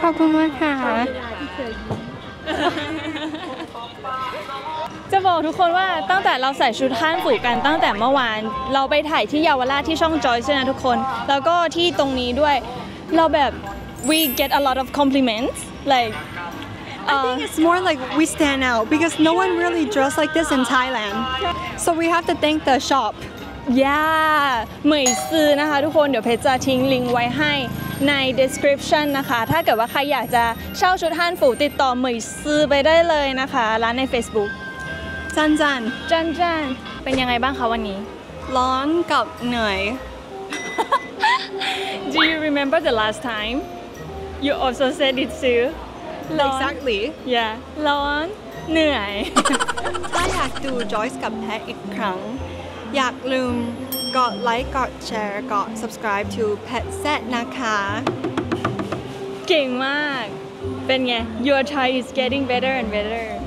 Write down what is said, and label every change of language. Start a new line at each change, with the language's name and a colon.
Thai: ขอบคุณมากค่ะ จะบอกทุกคนว่าตั้งแต่เราใส่ชุดท่านฝูกันตั้งแต่เมื่อวานเราไปถ่ายที่เยาวราชที่ช่องจอยใช่ไหมทุกคนแล้วก็ที่ตรงนี้ด้วยเราแบบ
English: we get a lot of compliments like I think it's more like we stand out because no one really dress like this in Thailand so we have to thank the shop
Thai: yeah เหมยซือนะคะทุกคนเดี๋ยวเพจจะทิ้งลิงก์ไว้ให้ใน description นะคะถ้าเกิดว่าใครอยากจะเช่าชุดฮั่นฝูติดต่อเหมยซือไปได้เลยนะคะร้านใน Facebook จันจัน จันจันเป็นยังไงบ้างคะวันนี้ร้อนกับเหนื่อย
English: Do you remember the last time you also said it too Exactly
Thai: Yeah ร้อนเหนื่อย ถ้าอยากดู Joyce กับแพทอีกครั้งอยากลืมกดไลค์กดแชร์กด
English: subscribe to Pet Set
Thai: นะคะ เก่งมากเป็นไง
English: Your Thai is getting better and better